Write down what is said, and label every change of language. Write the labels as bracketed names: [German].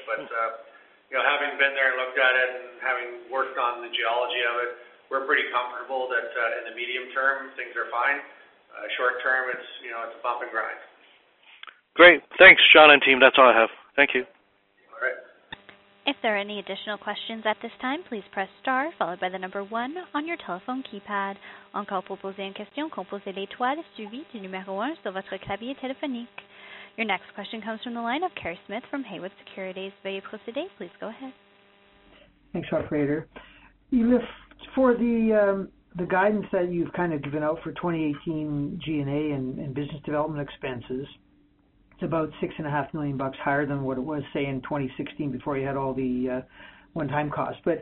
[English] But, you know, having been there and looked at it and having worked on the geology of it, we're pretty comfortable that in the medium term, things are fine. Short term, it's, you know, it's a bump and grind. Great. Thanks, Sean and team. That's all I have. Thank you. If there are any additional questions at this time, please press star followed by the number 1 on your telephone keypad. [French] Encore pour poser une question, composez l'étoile suivie du numéro 1 sur votre clavier téléphonique. [English] Your next question comes from the line of Kerry Smith from Haywood Securities. [French] Veuillez procéder. [English] Please go ahead. Thanks, operator. Elif, for the guidance that you've kind of given out for 2018 G&A and business development expenses, it's about $6.5 million higher than what it was, say, in 2016 before you had all the one-time costs.